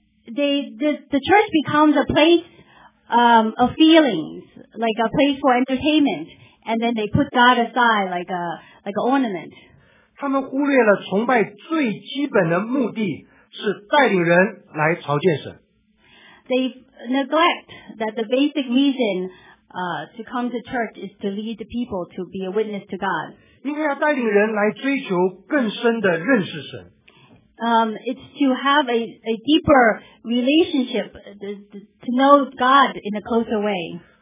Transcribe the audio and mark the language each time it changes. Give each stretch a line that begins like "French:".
English: The church becomes a place of feelings, like a place for entertainment, and then they put God aside like an ornament.
Chinese: 他们忽略了崇拜最基本的目的是带领人来朝见神。
English: They neglect that the basic reason to come to church is to lead the people to be a witness to God.
Chinese: 应该要带领人来追求更深的认识神。
English: It's to have a deeper relationship, to know God in a closer way.